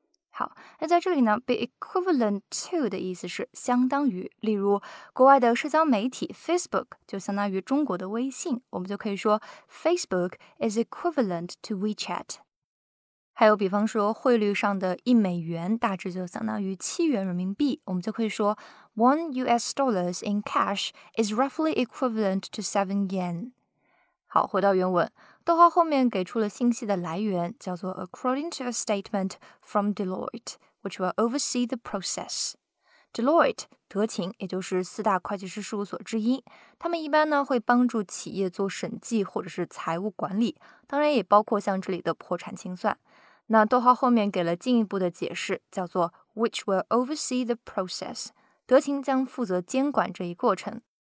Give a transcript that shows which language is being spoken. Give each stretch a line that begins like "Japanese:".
Chinese: 好，那在这里呢
English: be equivalent to
Chinese: 的意思是相当于，例如国外的社交媒体 Facebook 就相当于中国的微信，我们就可以说
English: Facebook is equivalent to WeChat。
Chinese: 还有比方说汇率上的一美元大致就相当于7元人民币，我们就可以说
English: $1 in cash is roughly equivalent to 7 yen。
Chinese: 好，回到原文，逗号后面给出了信息的来源，叫做
English: According to a statement from Deloitte, which will oversee the process.
Chinese: Deloitte, 德勤，也就是四大会计师事务所之一，他们一般呢会帮助企业做审计或者是财务管理，当然也包括像这里的破产清算。那逗号后面给了进一步的解释，叫做
English: which will oversee the process,
Chinese: 德勤将负责监管这一过程。